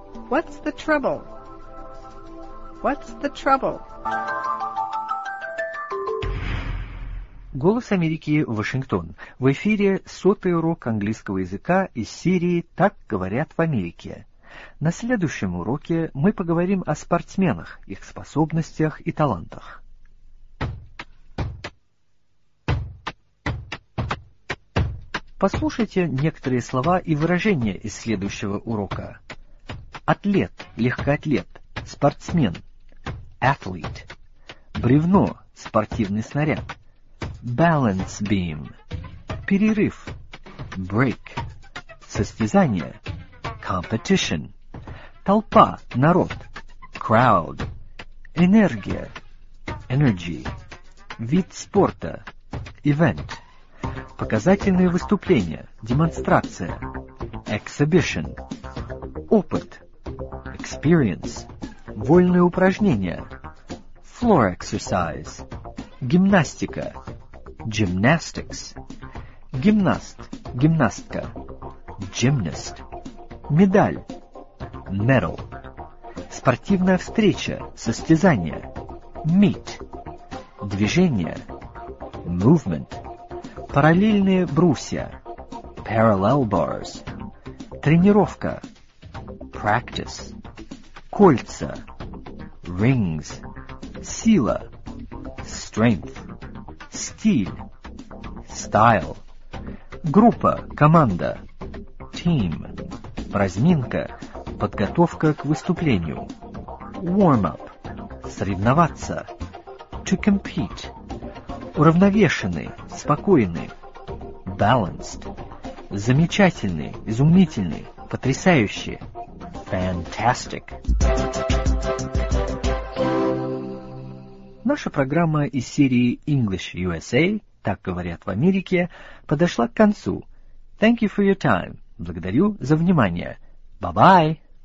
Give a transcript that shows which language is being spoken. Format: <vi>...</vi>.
<en>What's the trouble? What's the trouble?</en> <ru>Голос Америки, Вашингтон. В эфире сотый урок английского языка из серии «Так говорят в Америке». На следующем уроке мы поговорим о спортсменах, их способностях и талантах. Послушайте некоторые слова и выражения из следующего урока. Атлет, легкоатлет, спортсмен, athlete. Бревно, спортивный снаряд, balance beam. Перерыв, break. Состязание, competition. Толпа, народ, crowd. Энергия, energy. Вид спорта, event. Показательные выступления, демонстрация, exhibition. Опыт, experience. Вольные упражнения, floor exercise. Гимнастика, gymnastics. Гимнаст, гимнастка, gymnast. Медаль, medal. Спортивная встреча, состязание, meet. Движение, movement. Параллельные брусья, parallel bars. Тренировка, practice. Кольца, rings. Сила, strength. Стиль, style. Группа, команда, team. Разминка, подготовка к выступлению, warm-up. Соревноваться, to compete. Уравновешенный, спокойный, balanced. Замечательный, изумительный, потрясающий, fantastic. Наша программа из серии English USA, так говорят в Америке, подошла к концу.</ru> <en>Thank you for your time.</en> <ru>Благодарю за внимание.</ru> <en>Bye-bye.</en>